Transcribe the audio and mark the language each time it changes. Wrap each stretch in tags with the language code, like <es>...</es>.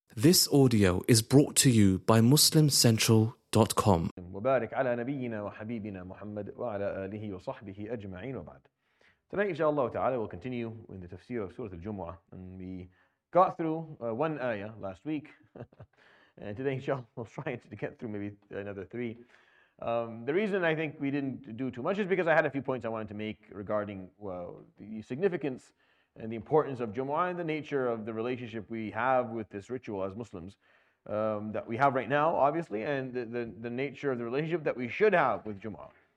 <en>This audio is brought to you by MuslimCentral.com.</en> <ar>مبارك على نبينا وحبيبنا محمد وعلى آله وصحبه أجمعين وبعد.</ar> <en>Tonight, inshallah ta'ala, we'll continue in the tafsir of Surah Al-Jumu'ah. And we got through one ayah last week. And today, inshallah, we'll try to get through maybe another three. The reason I think we didn't do too much is because I had a few points I wanted to make regarding the significance and the importance of Jumu'ah and the nature of the relationship we have with this ritual as Muslims that we have right now, obviously, and the nature of the relationship that we should have with Jumu'ah.</en>